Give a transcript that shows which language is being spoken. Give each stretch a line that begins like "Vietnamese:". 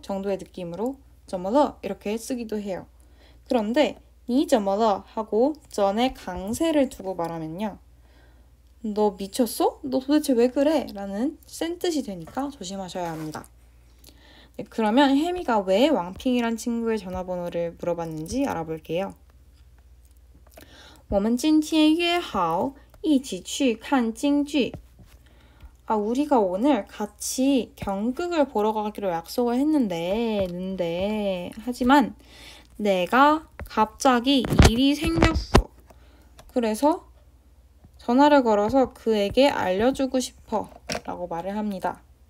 Korean: 정도의 느낌으로 점어더 이렇게 쓰기도 해요. 그런데 니 점어더 하고 전에 강세를 두고 말하면요, 너 미쳤어? 너 도대체 왜 그래?라는 센 뜻이 되니까 조심하셔야 합니다. 네, 그러면 혜미가 왜 왕핑이란 친구의 전화번호를 물어봤는지 알아볼게요.
Chinese: 我们今天约好一起去看京剧.
Korean: 아, 우리가 오늘 같이 경극을 보러 가기로 약속을 했는데, 하지만 내가 갑자기 일이 생겼어. 그래서 전화를 걸어서 그에게 알려주고 싶어. 라고 말을 합니다.